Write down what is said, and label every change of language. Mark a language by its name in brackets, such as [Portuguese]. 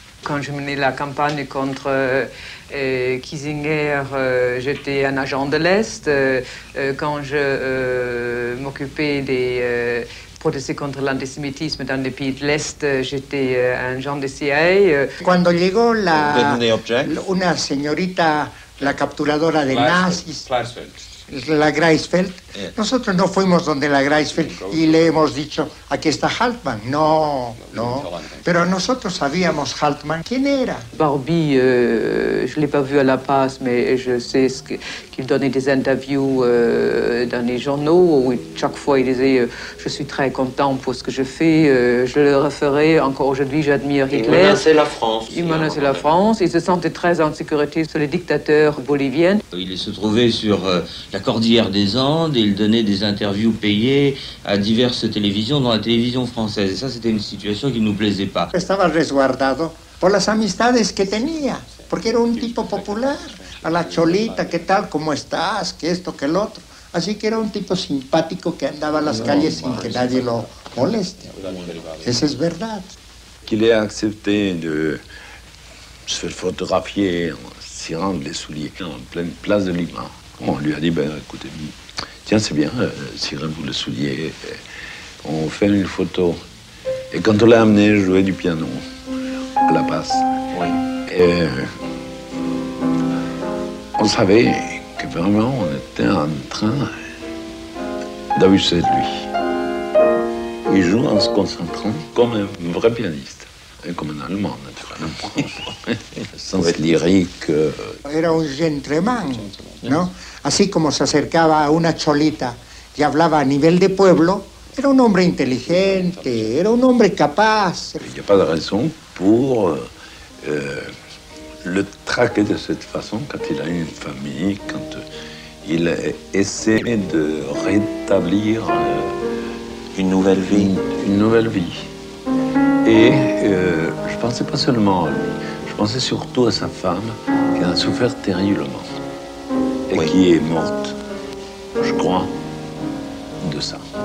[French] Quand je menais la campagne contre Kissinger, j'étais un agent de l'Est. Quand je m'occupais des protestés contre l'antisémitisme dans les pays de l'Est, j'étais un agent de CIA. [Spanish] Quand llegó una señorita, la capturadora de nazis, la Greifswald, nosotros no fuimos donde la Greifswald y le hemos dicho, aquí está Haltman. No, no. Pero nosotros sabíamos Haltman. ¿Quién era? [French] Barbie, je ne l'ai pas vu à La Paz, mais je sais qu'il donnait des interviews dans les journaux où chaque fois il disait, je suis très content pour ce que je fais, je le referai encore aujourd'hui, j'admire Hitler. Il menaçait la France. Il menaçait la France. Il se sentait très en sécurité sur les dictateurs boliviens. Il se trouvait sur la cordillère des Andes, il donnait des interviews payées à diverses télévisions, dont la télévision française. Et ça, c'était une situation qui ne nous plaisait pas. Il était resguardé par les amistades qu'il avait, parce qu'il était un type populaire. [Spanish] A la cholita, que tal, comment estás, que esto, [French] que l'autre. [Spanish] Así que era un tipo simpático que andaba a las calles sin que nadie lo moleste. Eso es verdad. [French] Qu'il ait accepté de se faire photographier en cirant les souliers en pleine place de Lima. On lui a dit, ben écoutez, tiens, c'est bien, cirez-vous le soulier, on fait une photo. Et quand on l'a amené jouer du piano, à la passe, oui. On savait que vraiment on était en train d'abuser de lui. Il joue en se concentrant comme un vrai pianiste. Comme un Allemand, naturellement. Sans être lyrique. [Spanish] Era un gentleman, ¿no? Así como se acercaba a una cholita y hablaba a nivel de pueblo, era un hombre inteligente, era un hombre capaz. [French] Il n'y a pas de raison pour le traquer de cette façon quand il a une famille, quand il essaie de rétablir une nouvelle vie. Une nouvelle vie. Et je pensais pas seulement à lui, je pensais surtout à sa femme qui a souffert terriblement et oui. Qui est morte, je crois, de ça.